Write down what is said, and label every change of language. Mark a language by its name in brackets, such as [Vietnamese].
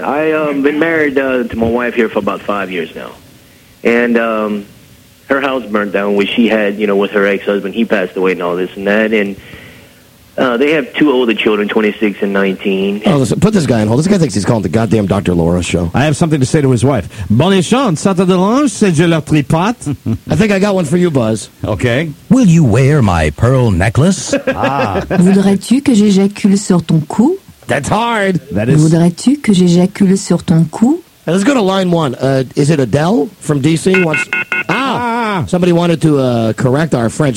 [English] I've been married to my wife here for about 5 years now. And her house burned down, which she had, you know, with her ex-husband. He passed away and all this and that. And they have two older children, 26 and 19. Oh, listen, put this guy on hold. This guy thinks he's calling the goddamn Dr. Laura show. I have something to say to his wife. [French] Bonne chance, ça te dérange, c'est je la tripote. [English] I think I got one for you, Buzz. Okay. Will you wear my pearl necklace? [French] Ah. Voudrais-tu que j'éjacule sur ton cou? [English] That's hard. That is. [French] Voudrais-tu que j'éjacule sur ton cou? [English] Let's go to line one. Is it Adele from D.C.? Somebody wanted to correct our French.